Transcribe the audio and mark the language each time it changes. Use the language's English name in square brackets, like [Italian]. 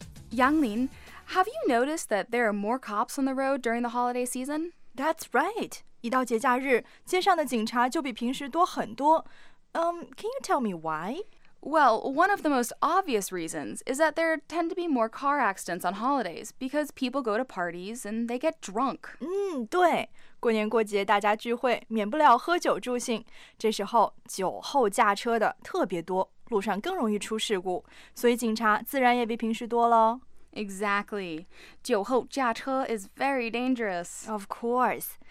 [English] 杨林， have you noticed that there are more cops on the road during the holiday season? That's right. [Chinese] 一到节假日，街上的警察就比平时多很多。 [English] Can you tell me why? Well, one of the most obvious reasons is that there tend to be more car accidents on holidays because people go to parties and they get drunk. [Chinese] 对，过年过节大家聚会，免不了喝酒助兴。这时候酒后驾车的特别多，路上更容易出事故，所以警察自然也比平时多了。 [English] Exactly. [Chinese] 酒后驾车 [English] is very dangerous. Of course.